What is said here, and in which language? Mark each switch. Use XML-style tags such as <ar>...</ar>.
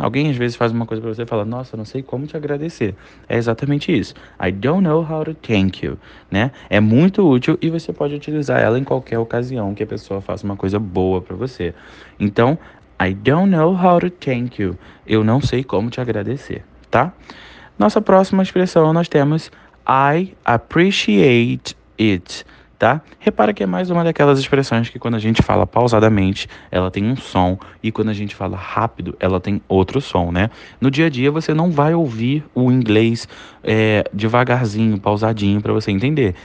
<pt>Alguém às vezes faz uma coisa para você e fala, nossa, não sei como te agradecer. É exatamente isso.</pt> <en>I don't know how to thank you, né?</en> <pt>É muito útil e você pode utilizar ela em qualquer ocasião que a pessoa faça uma coisa boa para você.</pt> <en>Então, I don't know how to thank you.</en> <pt>Eu não sei como te agradecer, tá? Nossa próxima expressão nós temos</pt> <en>I appreciate it.</en> <pt>Tá? Repara que é mais uma daquelas expressões que quando a gente fala pausadamente, ela tem um som, e quando a gente fala rápido, ela tem outro som, né? No dia a dia você não vai ouvir o inglês devagarzinho, pausadinho para você entender.</pt>